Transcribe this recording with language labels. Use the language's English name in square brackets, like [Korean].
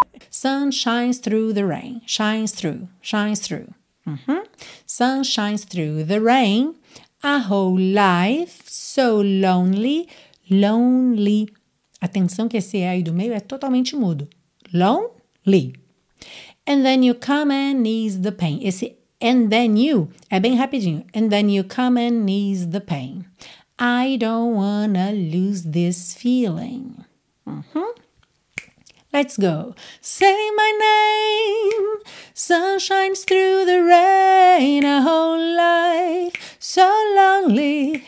[English] Sun shines through the rain. Shines through. Shines through. Uh-huh. Sun shines through the rain. A whole life. So lonely. Lonely. [Portuguese] Atenção que esse E aí do meio é totalmente mudo. [English] Lonely. And then you come and ease the pain. [Portuguese] Esse [English] and then you [Portuguese] é bem rapidinho. [English] And then you come and ease the pain. I don't wanna lose this feeling. Uh-huh. Let's go. Say my name. Sun shines through the rain. A whole life so lonely.